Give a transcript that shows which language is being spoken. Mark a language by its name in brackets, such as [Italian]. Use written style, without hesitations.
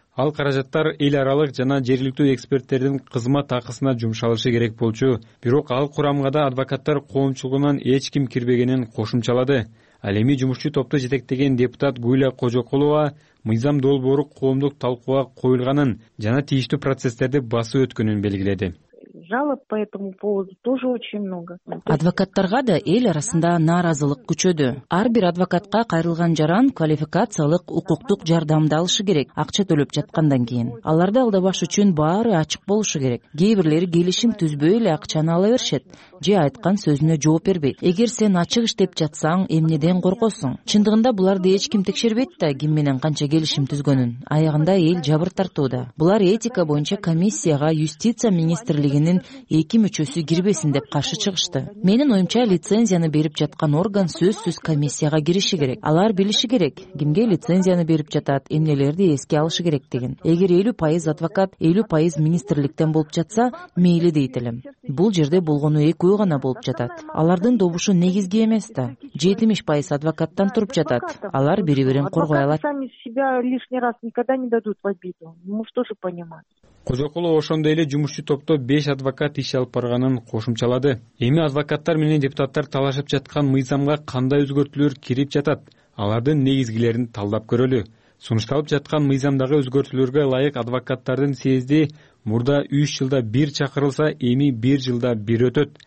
[Kyrgyz] Ал каражаттар эл аралык жана жергиликтүү эксперттердин кызмат акысына жумшалышы керек болчу. Бирок ал курамга да адвокаттар коомчулугунан эч ким кирбегенин кошумчалады. Ал эми жумушчу топту жетектеген депутат Гүйлә Кожоколова мыйзам долбоору коомдук талкууга коюлганын жана тийиштүү процесстерди басып өткөнүн белгиледи. [Russian] Жалоб по этому поводу тоже очень много. [Kyrgyz] Адвокаттарга да эл арасында нааразылык күчөдү. Ар бир адвокатка кайрылган жаран квалификациялык укуктук жардамды алышы керек, акча төлөп жаткандан кийин. Аларды алдабаш үчүн баары ачык болушу керек. Кээ бирлери келишим түзбөй эле акчаны ала беришет же айткан сөзүнө жооп бербейт. Эгер сен ачык иштеп жатсаң, эмнеден коркосуң? Чындыгында буларды эч ким текшербейт да, ким менен канча келишим түзгөнүн. Аягында эл жабыр тартууда. Булар этика боюнча комиссияга юстиция министрлигинин эки мүчөсү кирбесин деп каршы чыгышты. Менин оюмча лицензияны берип жаткан орган сөзсүз комиссияга кириши керек. Алар билиши керек, кимге лицензияны берип жатат, эмнелерди эске алышы керек деген. Эгер 50% адвокат, 50% министрликтен болуп жатса, мейли дейт элем. Бул жерде болгону экөө гана болуп жатат. Алардын добушу негизги эмес да. 70% адвокаттан туруп жатат. Алар бири бирин коргой алат. [Russian] Сами себя лишний раз никогда не дадут в обиду. Мы что же понимаем? [Kyrgyz] Кожоколов ошондой эле жумушчу топто 5 адвокат иш алып барганын кошумчалады. Эми адвокаттар менен депутаттар талашып жаткан мыйзамга кандай өзгөртүүлөр кирип жатат? Алардын негизгилерин талдап көрөлү. Сунушталып жаткан мыйзамдагы өзгөртүүлөргө ылайык адвокаттардын съезди мурда 3 жылда 1 чакырылса, эми 1 жылда 1 өтөт.